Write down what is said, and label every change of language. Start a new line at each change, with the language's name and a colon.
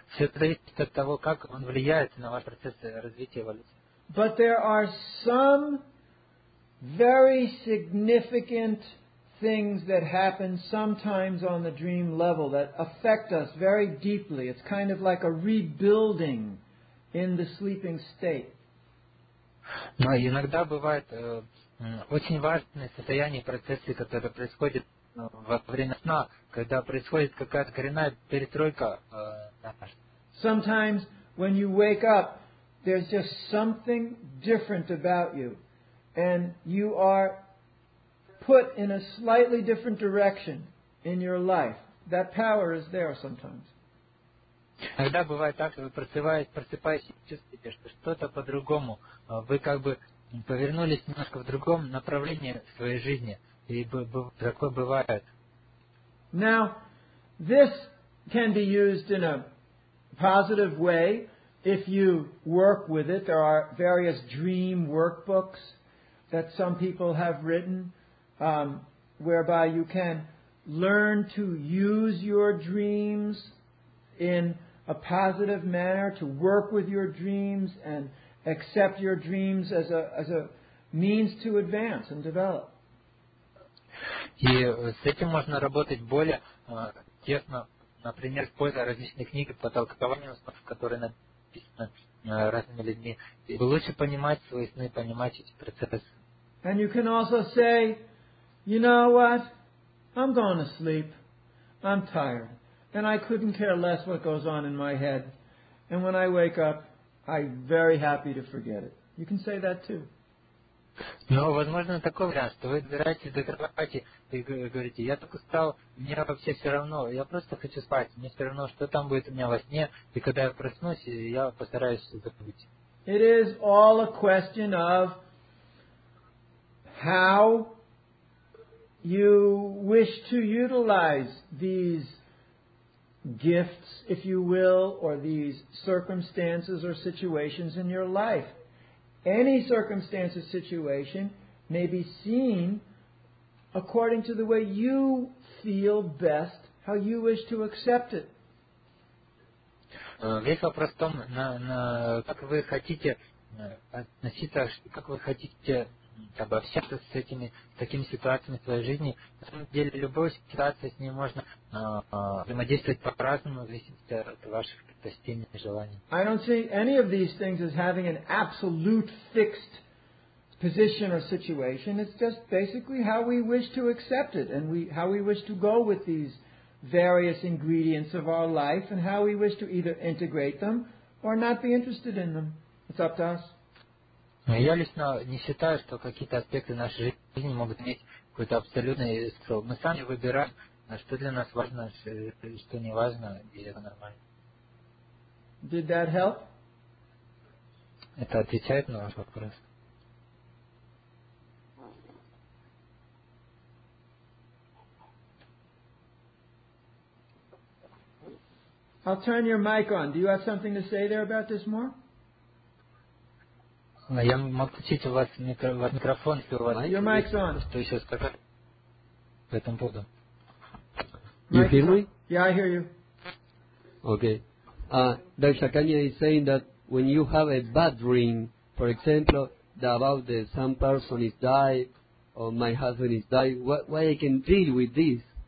Russian: Все зависит от того, как он влияет на ваш процесс развития эволюции.
English: But there are some very significant things that happen sometimes on the dream level that affect us very deeply. It's kind of like a rebuilding in the sleeping state.
Russian: Но иногда бывают очень важные состояния и процессы, которые происходят во время сна, когда происходит какая-то коренная перестройка.
English: Sometimes when you wake up, there's just something different about you, and you are put in a slightly different direction in your life. That power is there sometimes.
Russian: Иногда бывает так, что вы просыпаетесь, чувствуете, что что-то по-другому. Вы как бы повернулись немножко в другом направлении своей жизни. И такое бывает.
English: Now, this can be used in a positive way. If you work with it, there are various dream workbooks that some people have written, whereby you can learn to use your dreams in a positive manner, to work with your dreams and accept your dreams as a means to advance and develop.
Russian: И с этим можно работать более тесно, например, используя различные книги по толкованию снов, которые написаны разными людьми, и лучше понимать свои сны, понимать эти процессы.
English: And you can also say, you know what? I'm going to sleep. I'm tired. And I couldn't care less what goes on in my head. And when I wake up, I'm very happy to forget it. You can say that too.
Russian: Но возможно такой вариант, что вы забираетесь до кровати и говорите, я так устал, мне вообще все равно, я просто хочу спать, мне все равно, что там будет у меня во сне, и когда я проснусь, я постараюсь забыть.
English: It is all a question of how you wish to utilize these gifts, if you will, or these circumstances or situations in your life. Any circumstance or situation may be seen according to the way you feel best, how you wish to accept it.
Russian: Весь вопрос в том, как вы хотите относиться, как вы хотите обобщаться с этими такими ситуациями в своей жизни. На самом деле, любую ситуацию с ней можно взаимодействовать по-разному, зависит от ваших достижений и желаний.
English: I don't see any of these things as having an absolute fixed position or situation. It's just basically how we wish to accept it and how we wish to go with these various ingredients of our life and how we wish to either integrate them or not be interested in them. It's up to us.
Russian: Я лично не считаю, что какие-то аспекты нашей жизни могут иметь какой-то абсолютный смысл. Мы сами выбираем, что для нас важно, что не важно, и это нормально.
English: Did that help?
Russian: Это отвечает на ваш вопрос.
English: I'll turn your mic on. Do you have something to say there about this more?
Russian: Я могу включить у вас микрофон, если у вас
English: Your mic's on.
Russian: Что еще сказать по этому поводу.
English: You hear me? Yeah, I hear you. Okay. Daishakanya is saying that when you have a bad dream, for example, about the some person is died or my husband is died, why I can deal with this?